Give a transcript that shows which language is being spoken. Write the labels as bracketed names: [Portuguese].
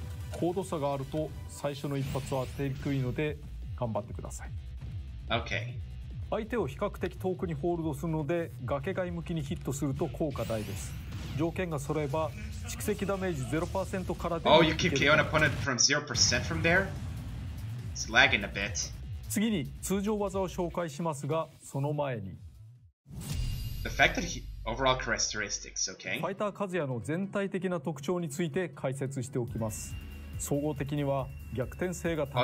[Japanese] 高度差があると最初の一発は当てにくいので、頑張ってください。 [English] Okay. [Japanese] 相手を比較的遠くにホールドするので崖外向きにヒットすると効果大です。条件が揃えば蓄積ダメージ 0% からで [English] も Oh, you keep KO an opponent from 0% from there? It's lagging a bit. [Japanese] 次に通常技を紹介しますが、その前に [English] The fact that he... overall characteristics, okay? [Japanese] ファイターカズヤの全体的な特徴について解説しておきます。総合的には逆転性が高い。